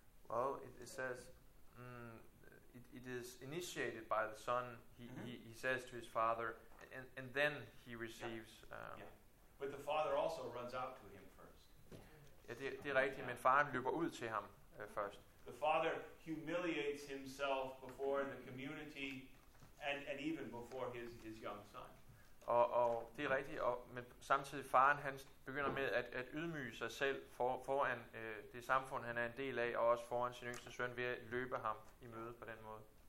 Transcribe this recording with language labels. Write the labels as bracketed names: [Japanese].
[English] Well, it says it is initiated by the son. He says to his father, and then he receives. But the father also runs out to him first. [Danish] Ja, det er rigtigt, men faren løber ud til ham først. The father humiliates himself before the community, and even before his young son. Og det er rigtigt, men samtidig faren han begynder med at ydmyge sig selv foran det samfund han er en del af, og også foran sin yngste søn ved at løbe ham i møde på den måde.